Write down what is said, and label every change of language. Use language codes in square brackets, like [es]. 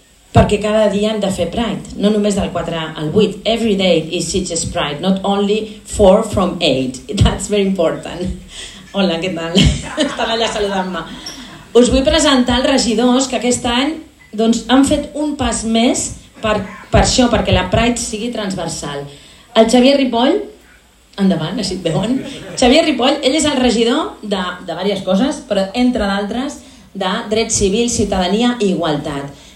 [ca] Perquè cada dia hem de fer Pride, no només del 4 al 8. [en] Every day is Sitges Pride, not only 4 from 8. That's very important. [ca] Hola, què tal? Estan allà saludant-me. Us vull presentar els regidors que aquest any doncs, han fet un pas més per això, perquè la Pride sigui transversal. El Xavier Ripoll, endavant, així et veuen. Xavier Ripoll, ell és el regidor de diverses coses, però entre d'altres de Drets Civils, Ciutadania i Igualtat.